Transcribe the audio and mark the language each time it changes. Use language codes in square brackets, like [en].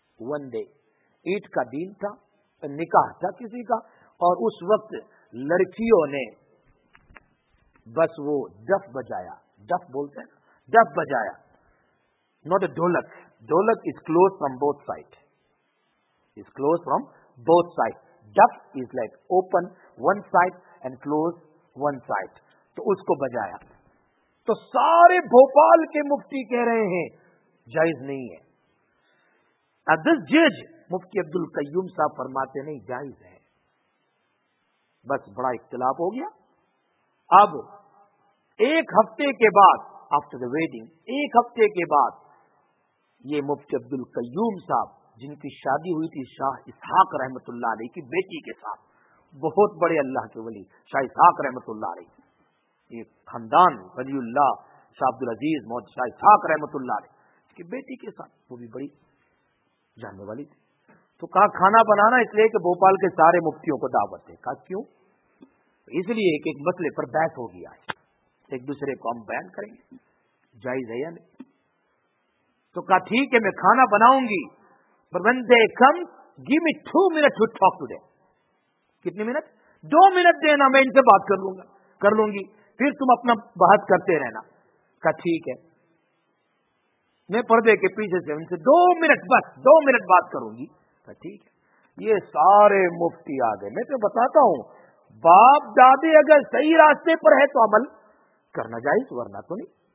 [en] one day [ur] عید کا دن تھا، نکاح تھا کسی کا، اور اس وقت لڑکیوں نے بس وہ ڈف بجایا، ڈف بولتے ہیں، ڈف بجایا، [en] Not a dholak. Dholak is closed from both side, is closed from both sides. Duff is like open one side and closed one side. [ur] تو اس کو بجایا تو سارے بھوپال کے مفتی کہہ رہے ہیں جائز نہیں ہے. [en] Now this judge, [ur] مفتی عبد القیوم صاحب فرماتے نہیں جائز ہے. بس بڑا اختلاف ہو گیا. اب ایک ہفتے کے بعد [en] after the wedding, [ur] ایک ہفتے کے بعد یہ مفتی عبد القیوم صاحب جن کی شادی ہوئی تھی شاہ اسحاق رحمۃ اللہ علیہ کی بیٹی کے ساتھ، بہت بڑے اللہ کے ولی شاہ اسحاق رحمۃ اللہ علیہ، یہ خاندان ولی اللہ شاہ عبد العزیز محمد شاہ اسحاق رحمۃ اللہ علیہ کی بیٹی کے ساتھ، وہ بھی بڑی جاننے والی تھی. تو کہا کھانا بنانا اس لیے کہ بھوپال کے سارے مفتیوں کو دعوت ہے. کہا کیوں؟ اس لیے کہ ایک مسئلے پر بحث ہو گیا ہے، ایک دوسرے کو ہم بیان کریں گے جائز ہے یا نہیں. تو کہا ٹھیک ہے میں کھانا بناؤں گی. [en] But when they come, give me 2 minutes to talk to them. [ur] کتنی منٹ؟ [en] 2 minutes [ur] دینا، میں ان سے بات کر لوں گی پھر تم اپنا بات کرتے رہنا. کہا ٹھیک ہے، میں پردے کے پیچھے سے ان سے [en] 2 minutes [ur] بس 2 minutes بات کروں گی. کہا ٹھیک ہے. یہ سارے مفتی آ گئے. میں تو بتاتا ہوں، باپ دادے اگر صحیح راستے پر ہے تو عمل کرنا جائز، ورنہ تو نہیں.